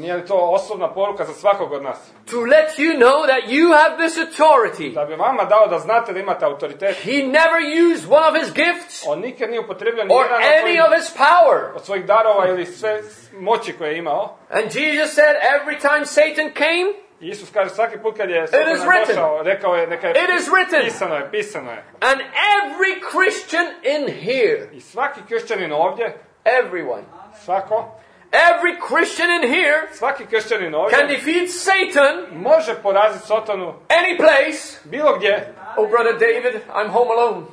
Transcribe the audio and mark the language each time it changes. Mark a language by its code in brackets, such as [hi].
[hr] Nije li to osobna poruka za svakog od nas? [en] To let you know that you have this authority. [hr] Da bi vama dao da znate da imate autoritet. [en] He never used one of his gifts. [hr] On nikad nije upotrijebio ni jedan od [en] his power. [hr] Od svojih darova ili sve moći koje je imao. [en] And Jesus said every time Satan came. [hr] Isus kaže svaki put kad je Satan došao, rekao je neka je. [en] It is written. [hr] Pisano je, pisano je. [en] And every Christian in here. [hr] I svaki kršćanin ovdje. [en] Everyone. [hr] Svako. [en] Every Christian in here, [hr] svaki kršćanin ovdje, [en] can defeat Satan, [hr] može poraziti Satanu, [en] any place, [hr] bilo gdje. [en] Oh brother David, I'm home alone.